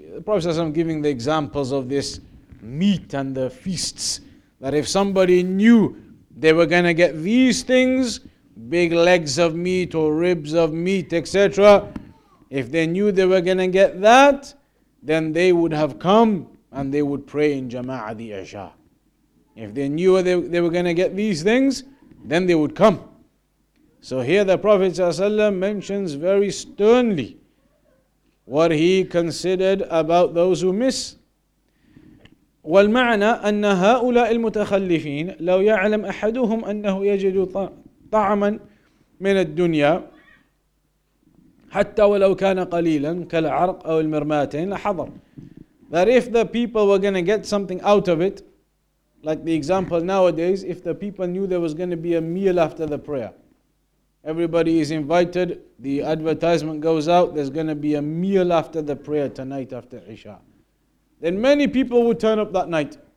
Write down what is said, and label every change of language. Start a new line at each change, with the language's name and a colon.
English: The Prophet says, I'm giving the examples of this meat and the feasts, that if somebody knew they were going to get these things, big legs of meat or ribs of meat, etc., if they knew they were going to get that, then they would have come and they would pray in Jama'ah the Isha. If they knew they were going to get these things, then they would come. So here the Prophet ﷺ mentions very sternly what he considered about those who miss.
Arabic: والمعنى أن هؤلاء المتخلفين لو يعلم أحدهم أنه يجد طعما من الدنيا حتى ولو كان قليلا كالعرق أو المرماتين لحضر.
English: That if the people were going to get something out of it, like the example nowadays, if the people knew there was going to be a meal after the prayer, everybody is invited, the advertisement goes out, there's going to be a meal after the prayer tonight after Isha, then many people would turn up that night.